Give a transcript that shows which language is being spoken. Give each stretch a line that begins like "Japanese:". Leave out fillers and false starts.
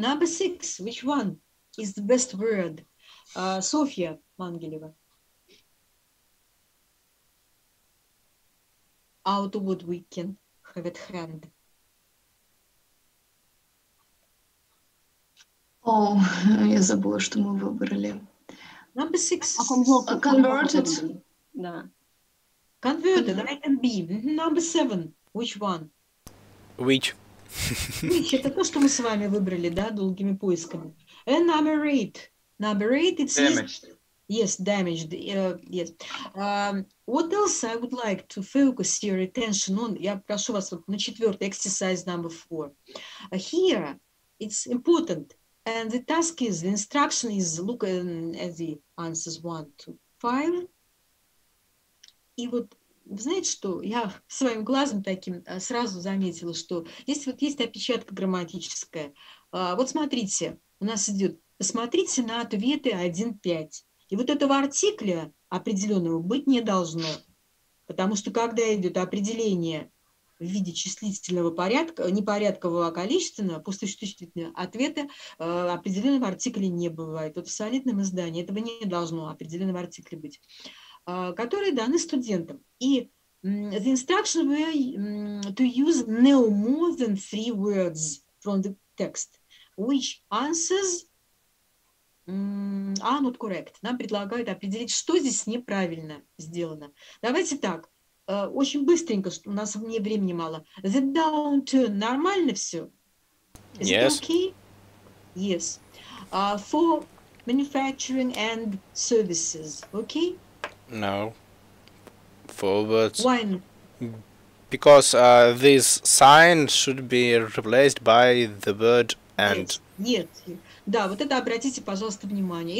English: Number six, which one is the best word?
Russian: Софья Мангелева.
English: Out of what we can have at hand.
Russian: Oh, я забыла, что мы выбрали.
English: Number six. Converted. Да. Converted, I can be. Number seven. Which one? Which?
Russian: Which, это то, что мы с вами выбрали, да, долгими поисками.
English: And number eight. Number eight, it's damaged. Yes, damaged. Yes. What else I would like to focus your attention on?
Russian: Я прошу вас вот на четвертый,
English: exercise number four. Here, it's important. And the task is, the instruction is, look at the answers one, two, five.
Russian: И вот, знаете что, я своим глазом таким сразу заметила, что здесь вот есть опечатка грамматическая. Вот смотрите, у нас идет, посмотрите на ответы 1-5. И вот этого артикля определенного быть не должно, потому что когда идет определение в виде числительного порядка, непорядкового, а количественного, после существительного ответа определенного артикля не бывает. Вот в солидном издании этого не должно определенного артикля быть, которые даны студентам.
English: И the instruction were to use no more than three words from the text, which answers are not correct.
Russian: Нам предлагают определить, что здесь неправильно сделано. Давайте так. Очень быстренько, у нас мне времени мало.
English: The downturn,
Russian: нормально все?
English: Is yes. Okay? Yes. For manufacturing and services, okay? No. Forwards. Why? Because this sign should be replaced by the word and.
Russian: Нет. Да, вот это обратите, пожалуйста, внимание.